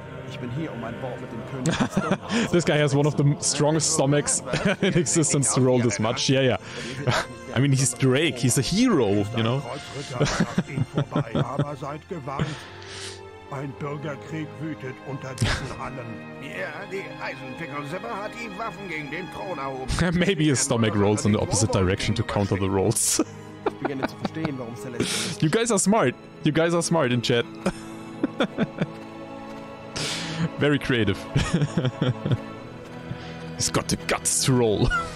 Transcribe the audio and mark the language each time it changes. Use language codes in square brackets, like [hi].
[de] Ich bin hier, um ein Wort mit dem König. [en] This guy has one of the strongest stomachs in existence to roll this much. Yeah, yeah. I mean, he's Drake, he's a hero, you know? [de] Aber seid gewarnt. Ein Bürgerkrieg wütet unter diesen Hallen. Ja, die Eisenfinger Sibbe hat die Waffen gegen den Thron erhoben. [en] Maybe his stomach rolls in the opposite direction to counter the rolls. [de] Ich beginne zu verstehen, warum Celeste. [en] You guys are smart. You guys are smart in chat. Very creative. He's got the guts to roll.